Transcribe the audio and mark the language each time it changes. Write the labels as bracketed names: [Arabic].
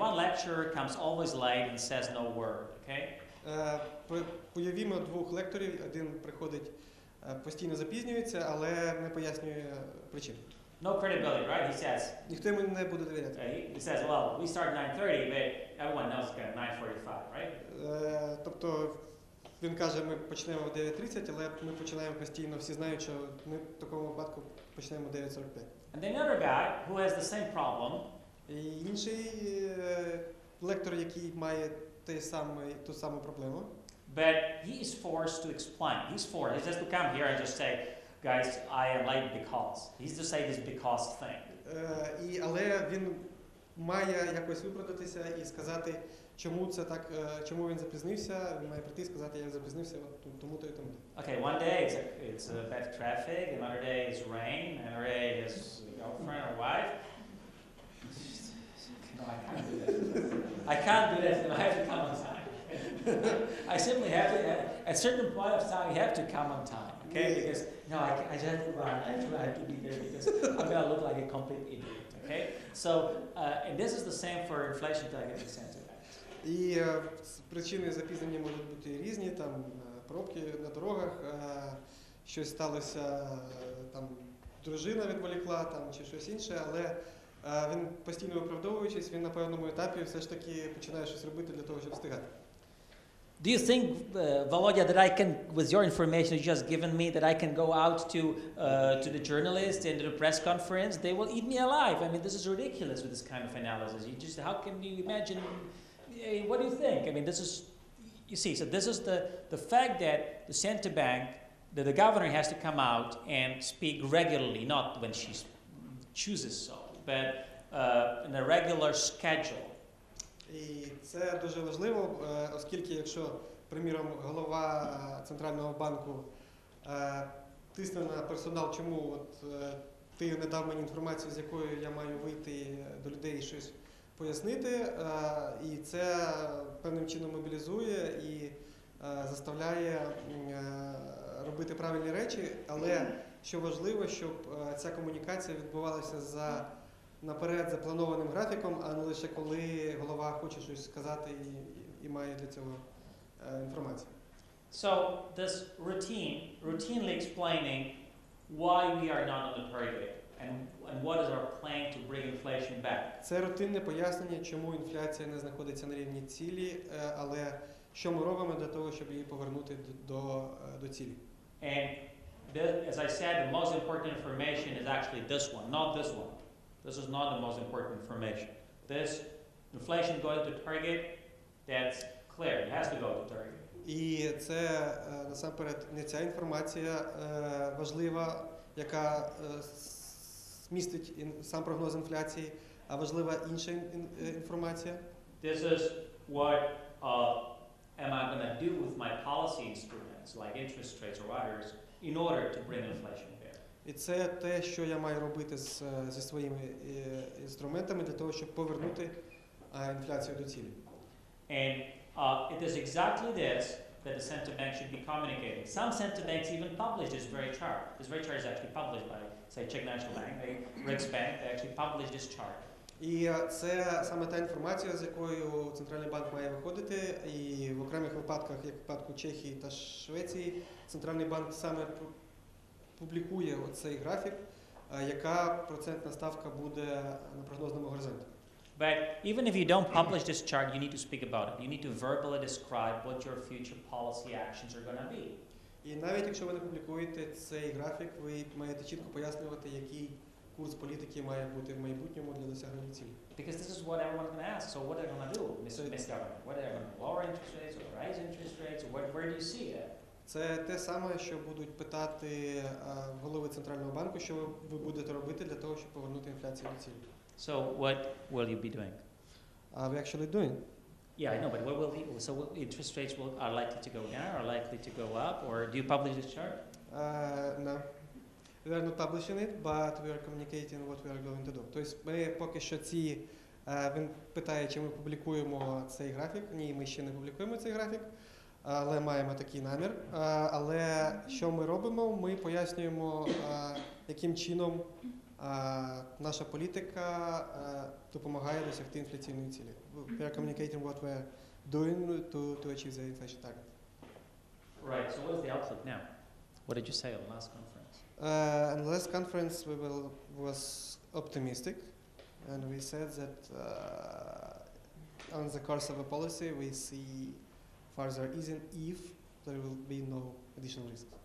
[English] One lecturer comes always late and says no word, okay? [Ukrainian] Уявімо двох лекторів, один приходить постійно запізнюється, але не пояснює причин. [English] No credibility, right? He says. [Ukrainian] Ніхто йому не буде довіряти. [English] He says, well, we start 9:30, but everyone knows it's 9:45, right? [Ukrainian] Тобто він каже, ми почнемо в 9:30, але ми починаємо постійно, всі знають, що ми в такому випадку почнемо 9:45. [English] And then another guy who has the same problem. [Ukrainian] І інший лектор, який має ту саму проблему. [English] But he is forced to explain. He's forced. He has to come here and just say, guys, I am late because. He's to say this because thing. [Ukrainian] Але він має якось виправдатися і сказати, чому це так, чому він запізнився. Він має прийти і сказати, я запізнився, тому-то і тому-то. [English] Okay, one day it's bad traffic, another day it's rain, another day it's girlfriend or wife. No, I can't do this. I can't do this. I have to come on time. I simply have to. At certain point of time, you have to come on time. Okay? Yeah. Because no, I just have to run. I have to be there because I'm gonna look like a complete idiot. Okay? So, and this is the same for inflation targeting center. [Ukrainian] І причини запізнення можуть бути різні. Там пробки на дорогах, щось сталося, там дружина відволікла, там чи щось інше, але. Він постійно виправдовуючись, він на певному етапі все ж таки починає щось робити для того, щоб встигати. [English] Do you think, Володя, that I can, with your information you just given me, that I can go out to the journalists and to the press conference? They will eat me alive. I mean, this is ridiculous with this kind of analysis. You just, how can you imagine? What do you think? I mean, this is, you see, so this is the fact that the center bank, that the governor has to come out and speak regularly, not when she chooses so. In a regular schedule. [Ukrainian] І це дуже важливо, оскільки якщо, приміром, голова центрального банку тисне на персонал, чому от ти не дав мені інформацію, з якою я маю вийти до людей і щось пояснити, і це певним чином мобілізує і заставляє робити правильні речі, але що важливо, щоб ця комунікація відбувалася за наперед запланованим графіком, а не лише коли голова хоче щось сказати і має для цього інформацію. [English] So, this routine, routinely explaining why we are not on the target and what is our plan to bring inflation back. [Ukrainian] Це рутинне пояснення, чому інфляція не знаходиться на рівні цілі, але що ми робимо для того, щоб її повернути до цілі. [English] And this, as I said, the most important information is actually this one, not this one. This is not the most important information. This inflation going to target, that's clear. It has to go to target. [Ukrainian] І це насамперед не ця інформація важлива, яка містить сам прогноз інфляції, а важлива інша інформація. [English] This is what am I going to do with my policy instruments like interest rates or others in order to bring inflation. [Ukrainian] І це те, що я маю робити зі своїми інструментами для того, щоб повернути інфляцію до цілі. [English] And it is exactly this that the central bank should be communicating. Some central banks even published this very chart. This very chart is actually published by, say, Czech National Bank, the Riksbank, they actually published this chart. [Ukrainian] І це саме та інформація, з якою центральний банк має виходити, і в окремих випадках, як в випадку Чехії та Швеції, центральний банк саме публікує оцей графік, яка процентна ставка буде на прогнозному горизонті. [English] But even if you don't publish this chart, you need to speak about it. You need to verbally describe what your future policy actions are going to be. [Ukrainian] І навіть якщо ви не публікуєте цей графік, ви маєте чітко пояснювати, який курс політики має бути в майбутньому для досягнення цілі. [English] Because this is what everyone's going to ask. So what are they going to do, Mr. Governor? What are they going to do? Lower interest rates or rise interest rates? Where do you see it? [Ukrainian] Це те саме, що будуть питати голови Центрального банку, що ви будете робити для того, щоб повернути інфляцію до цілі. [English] So, what will you be doing? Are we actually doing? Yeah, I know, but what will the, so interest rates will, are likely to go down, are likely to go up, or do you publish this chart? No. We are not publishing it, but we are communicating what we are going to do. [Ukrainian] Тобто ми поки що ці, він питає, чи ми публікуємо цей графік. Ні, ми ще не публікуємо цей графік, але маємо такий намір. Але що ми робимо? Ми пояснюємо, яким чином наша політика допомагає досягти інфляційної цілі. [English] We are communicating what we are doing to achieve the inflation target. Right, so what is the outlook now? What did you say at the last conference? In the last conference we was optimistic, and we said that on the course of a policy we see further easing if there will be no additional risks.